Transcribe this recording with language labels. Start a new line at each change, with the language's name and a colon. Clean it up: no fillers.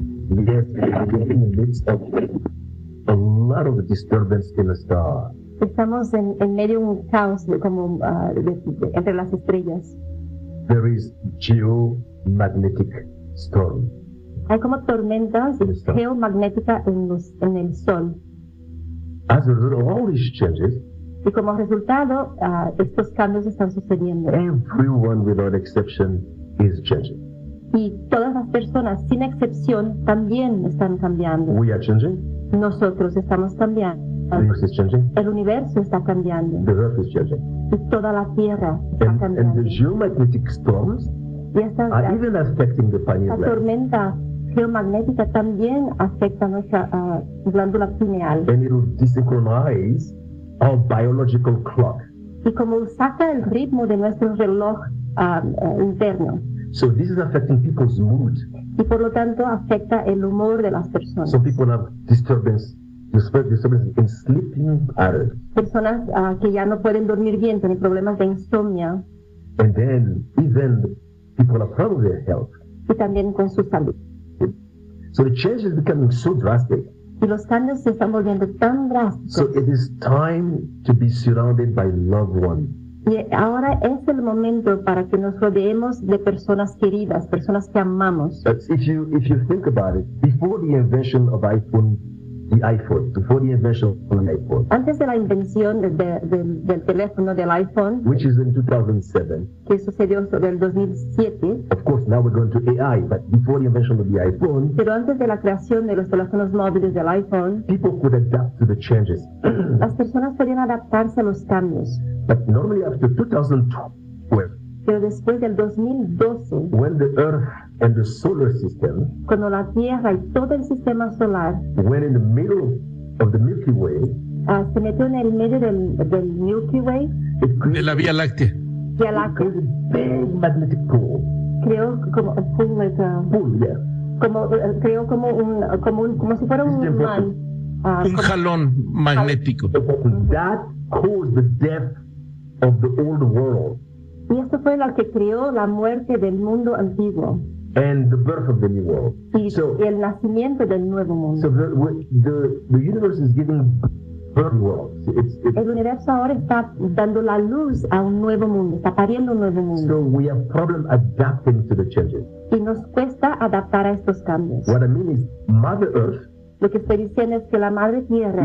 English: Yes, we're in the midst of a lot of disturbance in the star.
Spanish: Estamos en medio de un caos como entre las estrellas.
English: There is geomagnetic storm.
Spanish: Hay como tormentas geomagnéticas en el sol.
English: As a result of all these changes.
Spanish: Y como resultado, estos cambios están sucediendo.
English: Everyone without exception is changing.
Spanish: Y todas las personas sin excepción también están cambiando.
English: We are changing.
Spanish: Nosotros estamos cambiando.
English: The universe is changing.
Spanish: El universo está cambiando.
English: The earth is changing.
Spanish: Y toda la tierra está cambiando.
English: And the geomagnetic storms are even affecting the pineal gland.
Spanish: La tormenta geomagnética también afecta nuestra glándula pineal.
English: And it will desynchronize our biological clock.
Spanish: Y como saca el ritmo de nuestro reloj interno.
English: So this is affecting people's mood.
Spanish: Y por lo tanto afecta el humor de las personas.
English: Some people have disturbance in sleeping patterns.
Spanish: Personas que ya no pueden dormir bien, tienen problemas de insomnio.
English: And then even people have problems with their health.
Spanish: Y también con su salud.
English: So the change is becoming so drastic.
Spanish: Y los cambios se están volviendo tan drásticos.
English: So it is time to be surrounded by loved ones.
Spanish: Y ahora es el momento para que nos rodeemos de personas queridas, personas que amamos.
English: If you think about it, before the invention of iPhone, before the invention of an iPhone.
Spanish: Antes de la invención del teléfono, del iPhone.
English: Which is in 2007.
Spanish: Que sucedió sobre el 2007.
English: Of course, now we're going to AI, but before the invention of the iPhone.
Spanish: Pero antes de la creación de los teléfonos móviles del iPhone.
English: People could adapt to the changes.
Spanish: Las personas podían adaptarse a los cambios.
English: But normally after 2012.
Spanish: Pero después del 2012.
English: When the earth and the solar system.
Spanish: Cuando la Tierra y todo el sistema solar.
English: Went in the middle of the Milky Way.
Spanish: Se metió en el medio del Milky Way. De la Vía Láctea. Vía Láctea.
English: It created a big magnetic pool.
Spanish: Creó como un pool.
English: Like a, pool, yeah.
Spanish: Como, creó como un, como un, como si fuera un imán. Un jalón magnético.
English: That caused the death of the old world.
Spanish: Y esto fue lo que creó la muerte del mundo antiguo.
English: And the birth of the new world.
Spanish: So, el nacimiento del nuevo mundo.
English: So the universe is giving birth to worlds.
Spanish: El universo ahora está dando la luz a un nuevo mundo, está pariendo un nuevo mundo.
English: So we have problem adapting to the changes.
Spanish: Y nos cuesta adaptar a estos cambios.
English: What I mean is Mother Earth.
Spanish: Lo que estoy diciendo es que la Madre Tierra